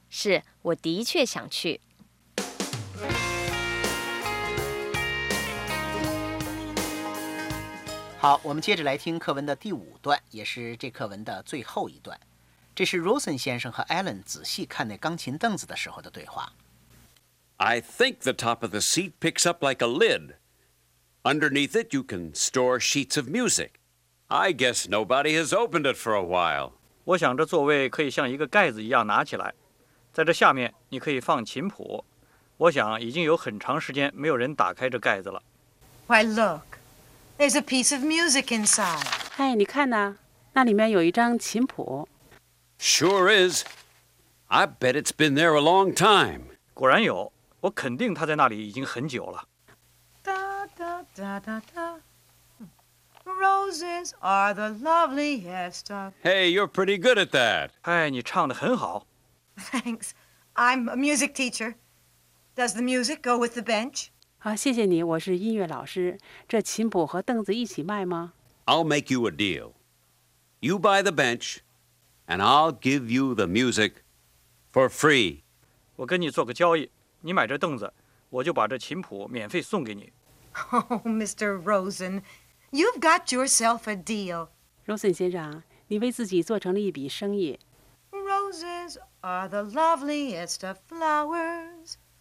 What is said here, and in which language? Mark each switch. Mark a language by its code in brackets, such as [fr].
[zh] 是，我的确想去。好，我们接着来听课文的第五段，也是这课文的最后一段。这是 Rosen 先生和 Alan 仔细看那钢琴凳子的时候的对话。 [en] I think the top of the seat picks up like a lid. Underneath it, you can store sheets of music. I guess nobody has opened it for a while. [zh] 我想这座位可以像一个盖子一样拿起来。在这下面，你可以放琴谱。我想已经有很长时间没有人打开这盖子了。 [en] Why, look. There's a piece of music inside. [zh] 哎，你看呐，那里面有一张琴谱。 [en] Sure is. I bet it's been there a long time. [zh] 果然有，我肯定他在那里已经很久了。 [en] Roses are the loveliest of... Hey, you're pretty good at that. [zh] 哎，你唱得很好。 [en] Thanks. I'm a music teacher. Does the music go with the bench? [zh] 好，谢谢你，我是音乐老师。这琴谱和凳子一起卖吗 [en] ？I'll make you a deal. You buy the bench, and I'll give you the music for free. [zh] 我跟你做个交易，你买这凳子，我就把这琴谱免费送给你。 [en] Oh, Mr. Rosen, you've got yourself a deal. [zh] Rosen 先生，你为自己做成了一笔生意。 [en] Roses are the loveliest of flowers.